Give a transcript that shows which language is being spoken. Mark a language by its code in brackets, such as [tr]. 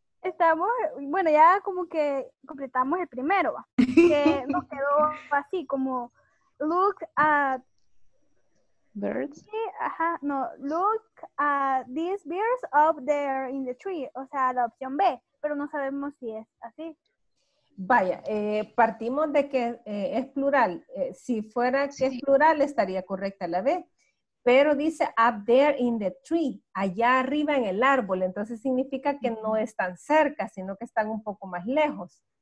[es] Estamos, bueno, ya como que completamos el primero. Que nos quedó así, como [en] look at birds. [es] Sí, ajá, no. [en] Look at these birds up there in the tree. [es] O sea, la opción B, pero no sabemos si es así. Vaya, partimos de que es plural. Si fuera que sí. Es plural, estaría correcta la B. Pero dice [en] up there in the tree, [es] allá arriba en el árbol. Entonces significa que no están cerca, sino que están un poco más lejos.